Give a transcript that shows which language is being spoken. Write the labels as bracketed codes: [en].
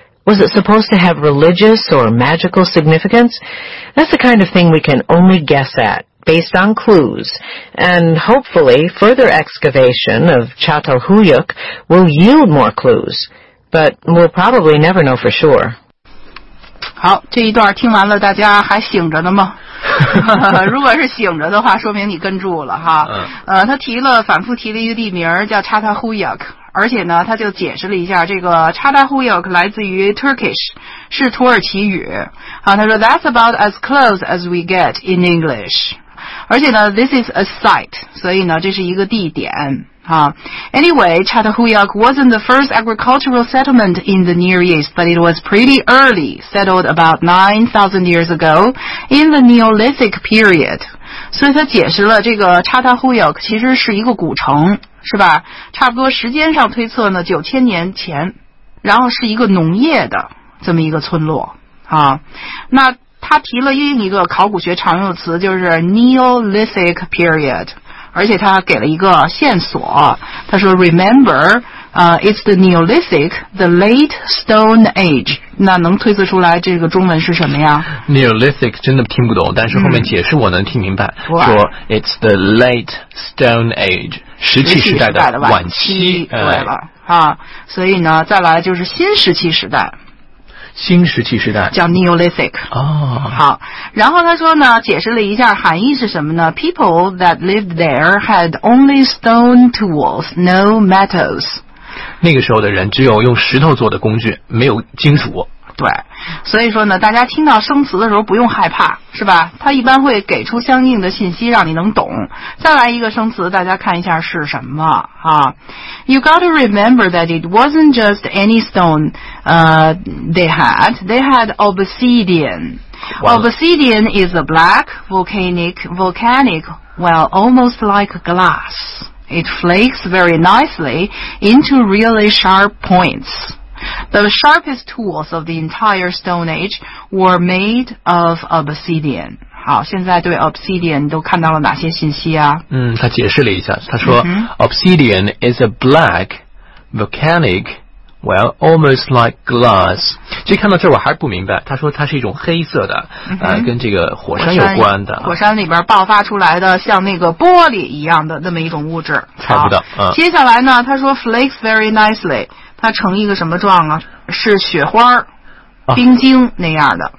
[en] Was it supposed to have religious or magical significance? That's the kind of thing we can only guess at, based on clues, and hopefully further excavation of Çatalhöyük will yield more clues, but we'll probably never know for sure. [zh] 好，这一段听完了，大家还醒着呢吗？如果是醒着的话，说明你跟住了哈。他提了，反复提了一个地名叫 Çatalhöyük， 而且呢，他就解释了一下，这个 Çatalhöyük 来自于 Turkish， 是土耳其语。好，他说 [en] That's about as close as we get in English。而且呢 this is a site, [zh] 所以呢这是一个地点、 [en] 啊、Anyway, Çatalhöyük wasn't the first agricultural settlement in the Near East, but it was pretty early, settled about 9,000 years ago in the Neolithic period. [zh] 所以他解释了这个 Çatalhöyük 其实是一个古城是吧，差不多时间上推测呢9000年前，然后是一个农业的这么一个村落、啊、那他提了另一个考古学常用词，就是 Neolithic period， 而且他给了一个线索，他说 [en] Remember, it's the Neolithic, the late Stone Age。 [zh] 那能推测出来这个中文是什么呀？Neolithic 真的听不懂，但是后面解释我能听明白，嗯、 [en] 说 It's the late Stone Age， [zh] 石器时代的晚期，对了、哎、啊，所以呢，再来就是新石器时代。新石器时代叫 Neolithic、 oh. 好，然后他说呢解释了一下含义是什么呢， [en] People that lived there had only stone tools, no metals， [zh] 那个时候的人只有用石头做的工具，没有金属，对，所以说呢大家听到生词的时候不用害怕是吧，他一般会给出相应的信息让你能懂，再来一个生词大家看一下是什么啊。 [en] You got to remember that it wasn't just any stone they had obsidian. Obsidian is a black volcanic well almost like glass. It flakes very nicely into really sharp points. The sharpest tools of the entire Stone Age were made of obsidian. [zh] 好，现在对 obsidian 都看到了哪些信息啊？嗯，他解释了一下，他说、mm-hmm. [en] Obsidian is a black volcanic Well, almost like glass. [zh] 其实看到这我还是不明白，他说它是一种黑色的、嗯、跟这个火山有关的，火山里边爆发出来的像那个玻璃一样的那么一种物质，猜不到、接下来呢他说 [en] flakes very nicely， [zh] 它成一个什么状啊，是雪花冰晶那样的